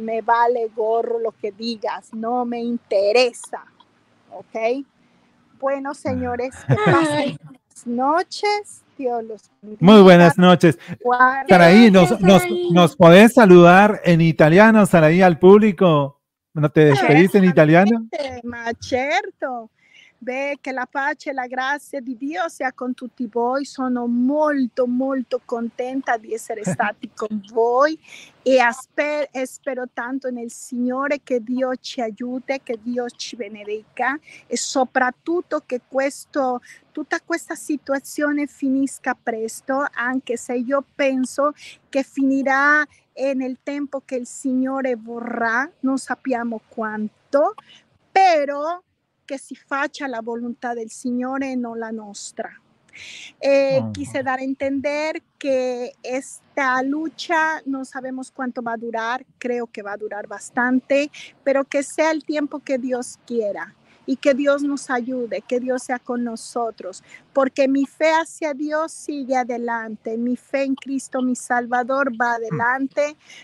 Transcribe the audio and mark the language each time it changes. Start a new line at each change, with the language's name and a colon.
Spanish: Me vale gorro lo que digas, no me interesa. ¿Ok? Bueno, señores, que pasen buenas noches. Dios los bendiga. Muy buenas noches. Saraí, ¿nos podés saludar en italiano, Saraí, al público? ¿No te despedís en italiano?
Italian: Ma certo. Ve que la pace, la grazia di Dio sia con tutti voi. Sono molto, molto contenta di essere stati con voi. E spero tanto nel Signore che Dio ci aiuti, che Dio ci benedica. E soprattutto che tutta questa situazione finisca presto, anche se io penso che finirà nel tempo che il Signore vorrà. Non sappiamo quanto, però... che si faccia la volontà del Signore e non la nostra.
Spanish: Quise dar a entender que esta lucha no sabemos cuánto va a durar, creo que va a durar bastante, pero que sea el tiempo que Dios quiera y que Dios nos ayude, que Dios sea con nosotros, porque mi fe hacia Dios sigue adelante, mi fe en Cristo, mi Salvador, va adelante,